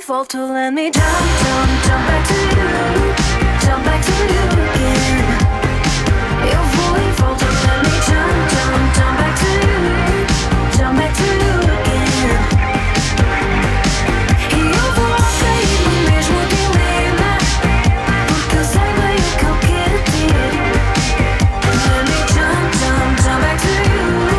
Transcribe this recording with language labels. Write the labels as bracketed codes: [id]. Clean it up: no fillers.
[en] To let me jump, jump, jump back to you. Jump back to you again. [pt] Eu vou e volto. [en] Let me jump, jump, jump back to you. Jump back to you again. [pt] E eu vou cair no mesmo dilema. Porque eu sei bem o que eu quero ter. [en] Let me jump, jump, jump back to you.